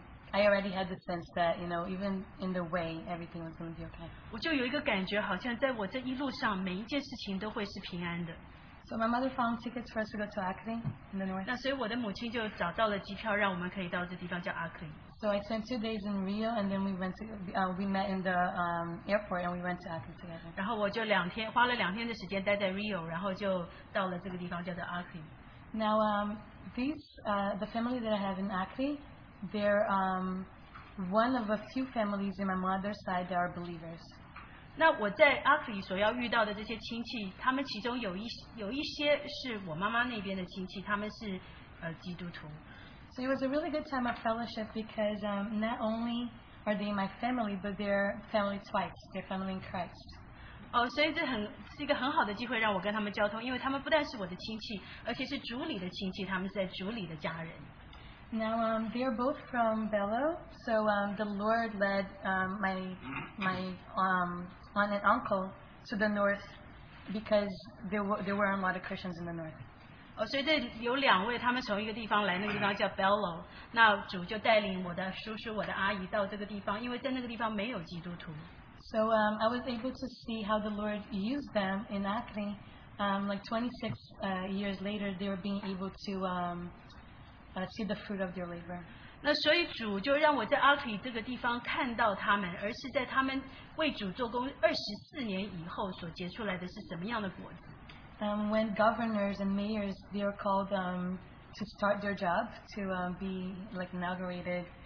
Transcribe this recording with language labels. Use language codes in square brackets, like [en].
[en] I already had the sense that, you know, even in the way, everything was going to be okay. [zh] 我就有一个感觉，好像在我这一路上，每一件事情都会是平安的。 [en] So my mother found tickets for us to go to Acre in the north. [zh] 那所以我的母亲就找到了机票，让我们可以到这地方叫 Acre。 [en] So I spent 2 days in Rio, and then we went to, we met in the airport, and we went to Acre together. [zh] 然后我就两天，花了两天的时间待在 Rio, 然后就到了这个地方叫做 Acre。 [en] Now, the family that I have in Acre, they're one of a few families in my mother's side that are believers. [zh] 那我在阿克里所要遇到的这些亲戚，他们其中有一些是我妈妈那边的亲戚，他们是基督徒。 [en] So it was a really good time of fellowship because not only are they my family, but they're family twice. They're family in Christ. [zh] 哦，所以这是一个很好的机会让我跟他们交通，因为他们不但是我的亲戚，而且是主里的亲戚，他们是在主里的家人。 [en] Now, they are both from Belo, so the Lord led my aunt and uncle to the north because there were a lot of Christians in the north. Oh, so there are 2 they are from one place, that place is Belo. Now, the Lord led my uncle and my aunt to this place because there are no Christians. So I was able to see how the Lord used them in Acre. Like 26 years later, they were being able to... see the fruit of their labor. [zh] 那所以主就让我在阿克里这个地方看到他们，而是在他们为主做工24年以后所结出来的是什么样的果子。 [en] When governors and mayors, they are called to start their job to be like inaugurated.